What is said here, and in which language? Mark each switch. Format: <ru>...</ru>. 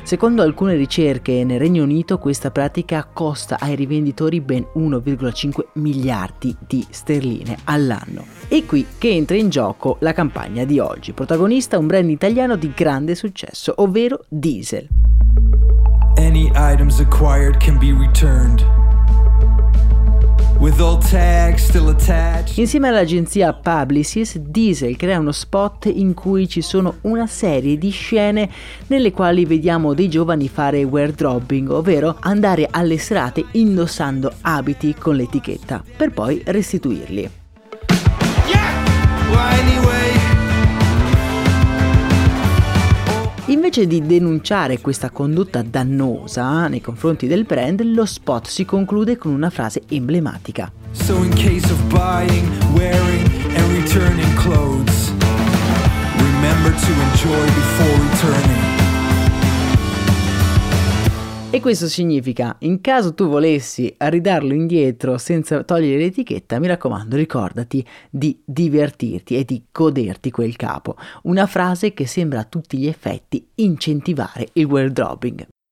<it>Secondo alcune ricerche nel Regno Unito, questa pratica costa ai rivenditori ben 1,5 miliardi di sterline all'anno. E qui che entra in gioco la campagna di oggi, protagonista un brand italiano di grande successo, ovvero Diesel.</it> <en>Any items acquired can be returned. With all tags still attached.</en> <it>Insieme all'agenzia Publicis, Diesel crea uno spot in cui ci sono una serie di scene nelle quali vediamo dei giovani fare wardrobing, ovvero andare alle serate indossando abiti con l'etichetta, per poi restituirli.</it> <en>Yeah! Well, anyway.</en> <it>Invece di denunciare questa condotta dannosa nei confronti del brand, lo spot si conclude con una frase emblematica.</it> <en>So in case of buying, wearing and returning clothes, remember to enjoy before returning.</en> <it>E questo significa, in caso tu volessi ridarlo indietro senza togliere l'etichetta, mi raccomando, ricordati di divertirti e di goderti quel capo. Una frase che sembra a tutti gli effetti incentivare il wardrobing.</it>